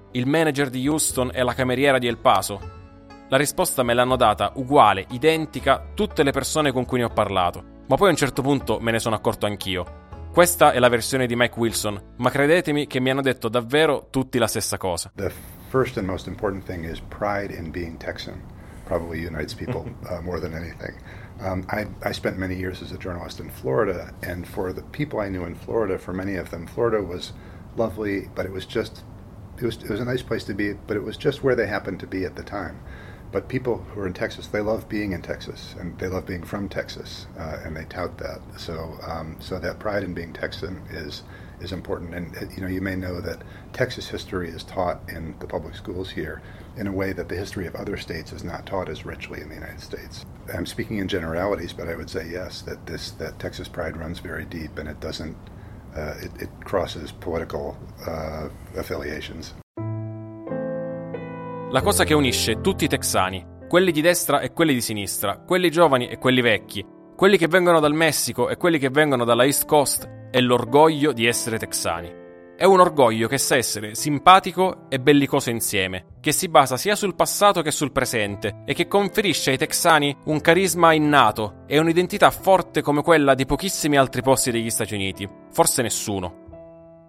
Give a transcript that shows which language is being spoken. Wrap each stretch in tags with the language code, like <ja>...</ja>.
<it>Il manager di Houston e la cameriera di El Paso? La risposta me l'hanno data uguale, identica, tutte le persone con cui ne ho parlato. Ma poi a un certo punto me ne sono accorto anch'io. Questa è la versione di Mike Wilson, ma credetemi che mi hanno detto davvero tutti la stessa cosa.</it> <en>The first and most important thing is pride in being Texan. Probably unites people more than anything. I spent many years as a journalist in Florida, and for the people I knew in Florida, for many of them, Florida was lovely, but it was a nice place to be, but it was just where they happened to be at the time. But people who are in Texas, they love being in Texas, and they love being from Texas, and they tout that. So that pride in being Texan is important. And you know, you may know that Texas history is taught in the public schools here in a way that the history of other states is not taught as richly in the United States. I'm speaking in generalities, but I would say yes, that Texas pride runs very deep, and it doesn't it crosses political affiliations.</en> <it>La cosa che unisce tutti i texani, quelli di destra e quelli di sinistra, quelli giovani e quelli vecchi, quelli che vengono dal Messico e quelli che vengono dalla East Coast, è l'orgoglio di essere texani. È un orgoglio che sa essere simpatico e bellicoso insieme, che si basa sia sul passato che sul presente e che conferisce ai texani un carisma innato e un'identità forte come quella di pochissimi altri posti degli Stati Uniti, forse nessuno.</it>